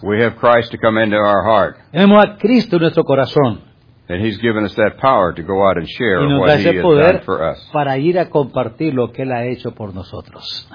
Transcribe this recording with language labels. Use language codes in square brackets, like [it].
[en] We have Christ to come into our heart. [es] Tenemos a Cristo en nuestro corazón. [en] And he's given us that power to go out and share what he has done for us. [es] Para ir a compartir lo que él ha hecho por nosotros.